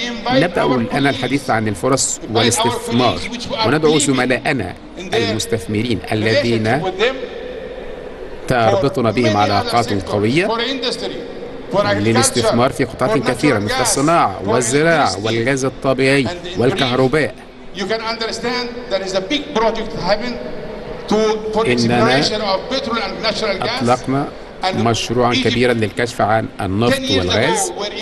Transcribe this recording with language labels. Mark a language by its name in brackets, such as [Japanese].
[Arabic] نبدأ الآن الحديث عن الفرص والاستثمار، وندعو زملائنا المستثمرين الذين تربطنا بهم علاقات قوية للاستثمار في قطاعات كثيرة مثل الصناعة والزراعة والغاز الطبيعي والكهرباء. [English] You can understand there is a big project happening to for exploration of petrol and natural gas. [Arabic] أطلقنا مشروعا كبيرا للكشف عن النفط والغاز.